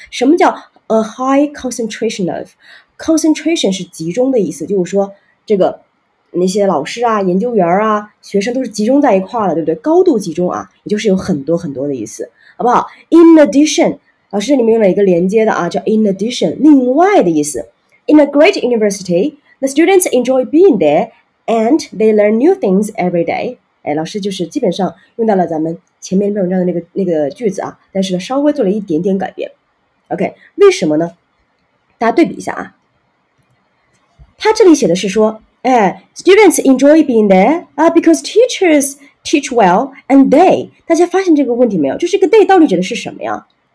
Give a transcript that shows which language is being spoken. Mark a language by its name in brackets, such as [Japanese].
[Chinese] 什么叫 [English] a high concentration of？ [Chinese] Concentration 是集中的意思，就是说这个那些老师啊、研究员啊、学生都是集中在一块了，对不对？高度集中啊，也就是有很多很多的意思，好不好？ [English] In addition， [Chinese] 老师这里面用了一个连接的啊，叫 in addition， 另外的意思。 [English] In a great university， the students enjoy being there and they learn new things every day。 [Chinese] 哎，老师就是基本上用到了咱们前面文章的那个句子啊，但是呢稍微做了一点点改变。 OK， 为什么呢？大家对比一下啊，他这里写的是说，哎， [English] students enjoy being there because teachers teach well and they， [Chinese] 大家发现这个问题没有？就是这个 they 到底指的是什么呀？